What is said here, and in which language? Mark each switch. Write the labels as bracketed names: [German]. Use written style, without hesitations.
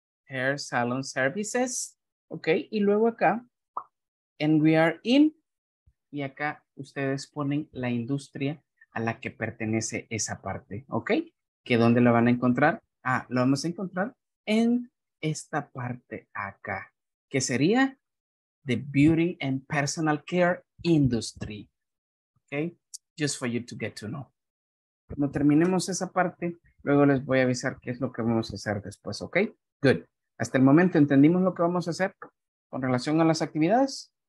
[English] Hair salon services, ok. [Spanish] Y luego acá, [English] and we are in, [Spanish] y acá ustedes ponen la industria a la que pertenece esa parte, ¿ok? ¿Que dónde lo van a encontrar? Ah, lo vamos a encontrar en esta parte acá, que sería [English] the beauty and personal care industry. Okay, just for you to get to know. [Spanish] Cuando terminemos esa parte, luego les voy a avisar qué es lo que vamos a hacer después, [English] okay? Good. [Spanish] Hasta el momento, ¿entendimos lo que vamos a hacer con relación a las actividades?